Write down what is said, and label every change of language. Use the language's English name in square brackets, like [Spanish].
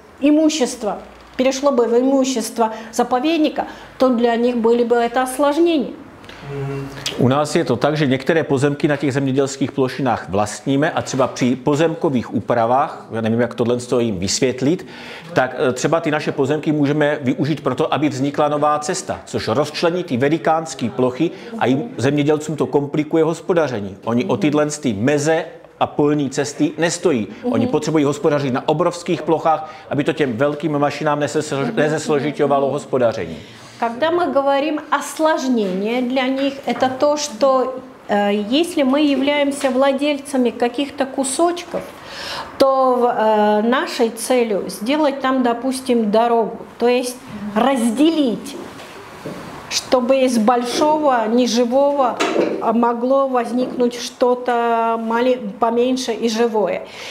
[Russian] имущество, перешло бы в имущество заповедника, то для них были бы это осложнение. [Czech] У нас je to tak, že některé pozemky na těch zemědělských plošinách vlastníme a třeba při pozemkových úpravách, já nevím, jak tohle jim vysvětlit, tak třeba ty naše pozemky můžeme využít proto, aby vznikla nová cesta, což rozčlení ty velikánské plochy a jim zemědělcům to komplikuje hospodaření. Oni o tyhle ty meze a polní cesty nestojí. Oni potřebují hospodařit na obrovských plochách, aby to těm velkým mašinám nezesložitovalo hospodaření. [Russian] Когда мы говорим о сложнении для них, это то, что если мы являемся владельцами каких-то кусочков, то нашей целью сделать там, допустим, дорогу, то есть разделить, чтобы из большого, неживого могло возникнуть что-то поменьше и живое.